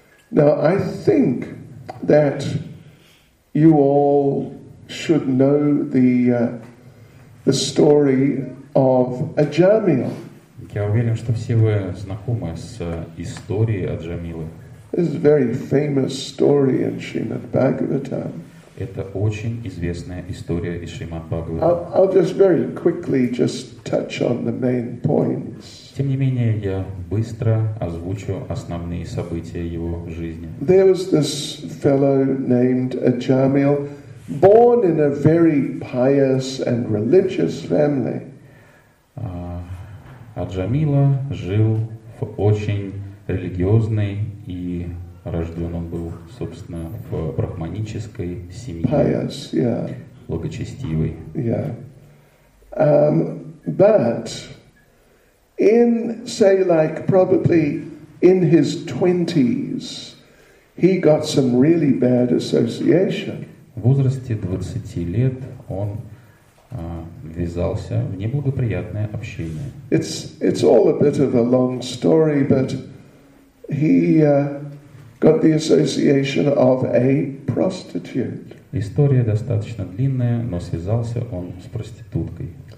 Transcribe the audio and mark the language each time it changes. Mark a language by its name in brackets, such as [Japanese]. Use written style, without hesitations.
[English] Now, I think that you all should know the story of Аджамила. [Russian] Я уверен, что все вы знакомы с историей Аджамилы. [English] This is a very famous story in Srimad Bhagavatam. [Russian] Это очень известная история из Шримад Бхагаватам. [English] I'll just very quickly just touch on the main points. [Russian] Тем не менее, я быстро озвучу основные события его жизни. [English] There was this fellow named Ajamil, born in a very pious and religious family. [Russian] Аджамила жил в очень религиозной и рожден он был, собственно, в брахманической семье. [English] Pious, yeah. [Russian] Благочестивый. [English] Yeah. But in, say, like, probably in his 20s, he got some really bad association. [Russian] В возрасте 20 лет он ввязался в неблагоприятное общение. [English] It's all a bit of a long story, but he got the association of a prostitute. [Russian] История достаточно длинная, но связался он с проституткой.